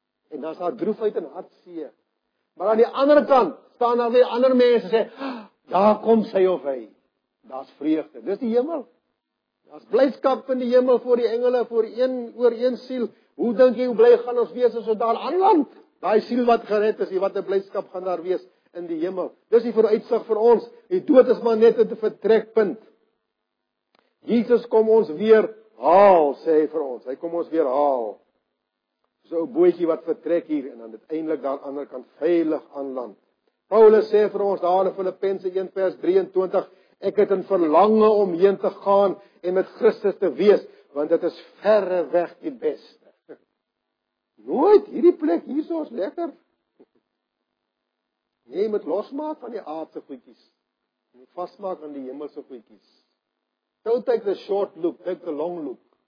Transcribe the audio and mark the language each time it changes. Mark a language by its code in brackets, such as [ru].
[af] En dan is daar droefheid en hartseer. Maar aan die andere kant, staan daar weer ander mense, sê, daar kom sy of hy. Daar is vreugde, dis die hemel. Daar is blydskap in die hemel voor die engele, voor een oor een siel. Hoe dink jy, hoe bly gaan ons wees as ons daar aanland? Daai siel wat gered is, wat 'n blydskap gaan daar wees in die hemel. Dis die vooruitsig vir ons. Die dood is maar net 'n vertrekpunt. Jesus kom ons weer haal, sê hy vir ons. Hy kom ons weer haal. So 'n bootjie wat vertrek hier en dan uiteindelik daar aan die ander kant veilig aanland. Paulus sê vir ons daar in Filippense 1:23, ek het 'n verlange om heen te gaan en met Christus te wees, want dit is verre weg die beste. Nooit hierdie plek hierso is lekker. Jy moet losmaak van die aardse goedjies. Jy moet vasmaak aan die hemelse goedjies. [en] Don't take the short look, take the long look.